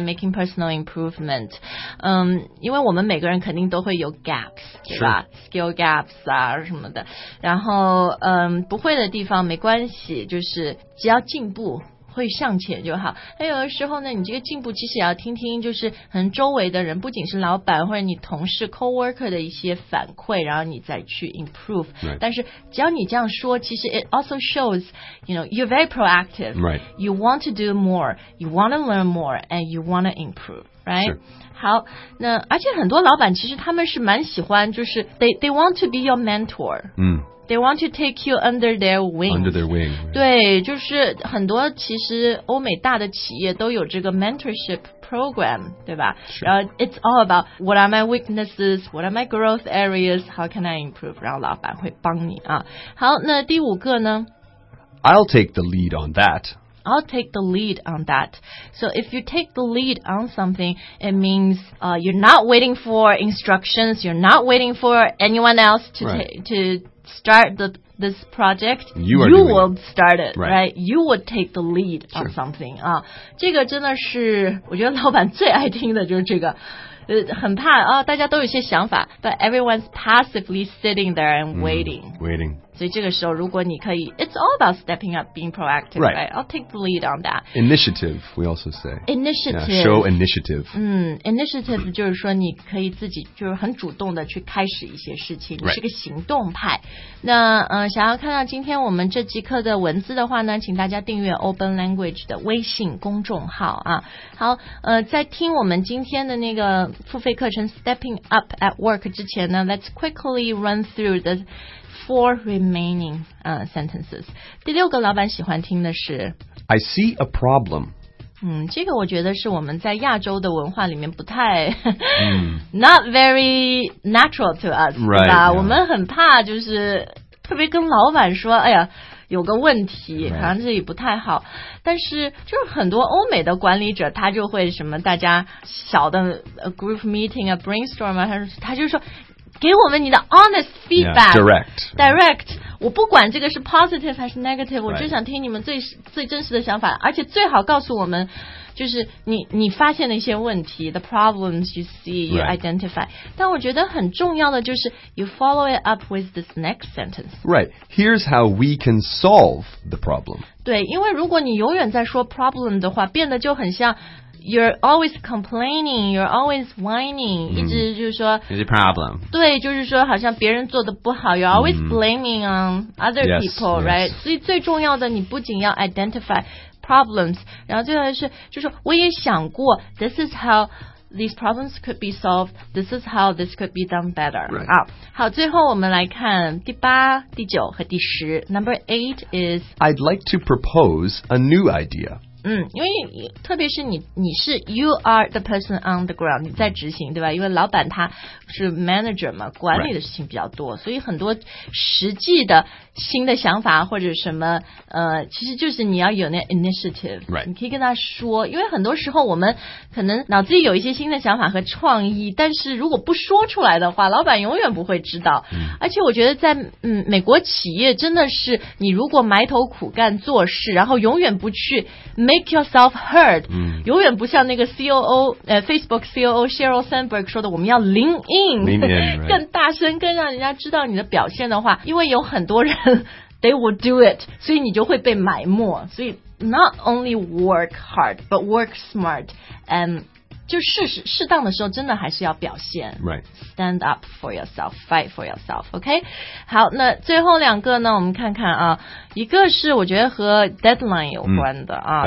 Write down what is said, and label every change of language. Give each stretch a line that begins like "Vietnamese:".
English: right making personal improvement
Chinese: 因为我们每个人肯定都会有 gaps 对吧 skill gaps 啊什么的然后不会的地方没关系就是只要进步会向前就好还有的时候呢你这个进步其实也要听听就是很周围的人不仅是老板或者你同事 coworker 的一些反馈然后你再去 improve、
English: right.
Chinese: 但是只要你这样说其实
English: it also shows you know you're very proactive、 right. you want to do more you want to learn more and you want to improve right、 sure.
Chinese: 好那而且很多老板其实他们是蛮喜欢就是
English: they want to be your mentor、They want to take you under their wing. Under their wing.
Chinese: 对，就是很多其实欧美大的企业都有这个 mentorship program, 对吧？
English: Sure. 然后 it's all about what are my weaknesses, what are my growth areas, how can I improve?
Chinese: 然后老板会帮你啊。好，那第五个呢？
English: I'll take the lead on that. I'll take the lead on that. So if you take the lead on something, it means, you're not waiting for instructions, you're not waiting for anyone else to start this project, you will start it, right? You would take the lead on something.
Chinese: 啊，这个真的是我觉得老板最爱听的就是这个，很怕啊，大家都有些想法 ，
English: but everyone's passively sitting there and waiting. Waiting.
Chinese: 所以这个时候，如果你可以
English: ，it's all about stepping up, being proactive, right? I'll take the lead on that. Initiative, we also say. Initiative. Yeah, show initiative.
Chinese: Initiative 就是说你可以自己就是很主动的去开始一些事情，你是个行动派。那想要看到今天我们这节课的文字的话呢，请大家订阅 Open Language 的微信公众号啊。好，在听我们今天的那个付费课程 Stepping Up at Work 之前呢 ，
English: Let's quickly run through the four remaining sentences.
Chinese: 第六个老板喜欢听的是
English: I see a problem.
Chinese: 这个我觉得是我们在亚洲的文化里面不太
English: not very natural to us. Right.
Chinese: 对吧 我们很怕就是特别跟老板说哎呀有个问题好像这里不太好但是就是很多欧美的管理者他就会什么大家小的 group meeting, a brainstorm, 他就说给我们你的 honest feedback.
English: Yeah, direct. Direct.
Chinese: 我不管这个是 positive 还是 negative, 我就想听你们最、
English: right.
Chinese: 最真实的想法，而且最好告诉我们就是你发现的一些问题
English: the problems you see, you、 right. identify.
Chinese: 但我觉得很重要的就是
English: you follow it up with this next sentence. Right. Here's how we can solve the problem.
Chinese: 对，因为如果你永远在说 problem 的话，变得就很像
English: You're always complaining, you're always whining,、
Chinese: mm. 一直就是说
English: It's a problem.
Chinese: 对，就是说好像别人做的不好
English: you're always、
Chinese: mm.
English: blaming on other yes, people, yes. right?
Chinese: 所以最重要的你不仅要 identify problems, 然后最后是就是我也想过
English: this is how these problems could be solved, this is how this could be done better. Right.、
Chinese: Oh, 好，最后我们来看第八、第九和第十
English: Number eight is I'd like to propose a new idea.
Chinese: 嗯，因为特别是你是
English: you are the person on the ground,
Chinese: 你在执行，对吧？因为老板他是 manager 嘛，管理的事情比较多，所以很多实际的新的想法或者什么，其实就是你要有那 initiative,
English: right?
Chinese: 你可以跟他说，因为很多时候我们可能脑子里有一些新的想法和创意，但是如果不说出来的话，老板永远不会知道。而且我觉得在美国企业真的是，你如果埋头苦干做事，然后永远不去。
English: Make yourself heard、 mm.
Chinese: 永远不像那个 COO、Facebook COO Sheryl Sandberg 说的我们要 lean in、
English: right.
Chinese: 更大声更让人家知道你的表现的话因为有很多人
English: they will do it
Chinese: 所以你就会被埋没所以
English: not only work hard but work smart and
Chinese: 就适当的时候真的还是要表现、
English: right. stand up for yourself fight for yourself OK
Chinese: 好那最后两个呢我们看看啊一个是我觉得和 deadline 有关的啊、